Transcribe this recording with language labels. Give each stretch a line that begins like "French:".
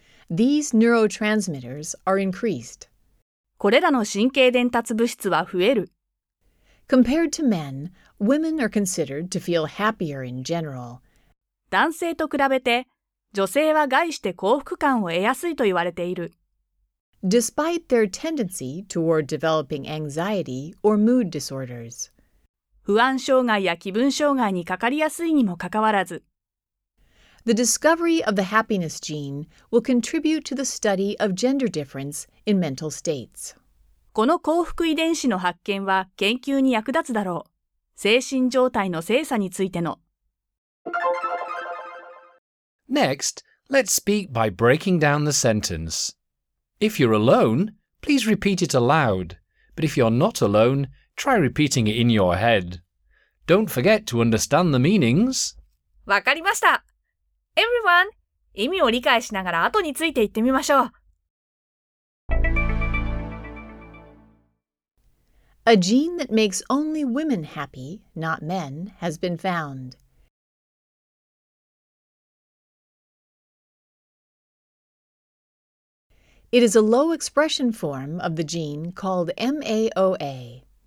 English: These neurotransmitters are increased.
Japanese: これらの神経伝達物質は増える。
English: Compared to men, women are considered to feel happier in general.
Japanese: 男性と比べて、女性は概して幸福感を得やすいと言われている。
English: Despite their tendency toward developing anxiety or mood disorders.
Japanese: 不安障害や気分障害にかかりやすいにもかかわらず。
English: The discovery of the happiness gene will contribute to the study of gender difference in mental states.
Japanese: この幸福遺伝子の発見は研究に役立つだろう。精神状態の性差についての。
English: Next, let's speak by breaking down the sentence. If you're alone, please repeat it aloud. But if you're not alone, try repeating it in your head. Don't forget to understand the meanings.
Japanese: わかりました。 Everyone, 意味を理解しながら後について言ってみましょう。
English: A gene that makes only women happy, not men, has been found. It is a low expression form of the gene called MAOA.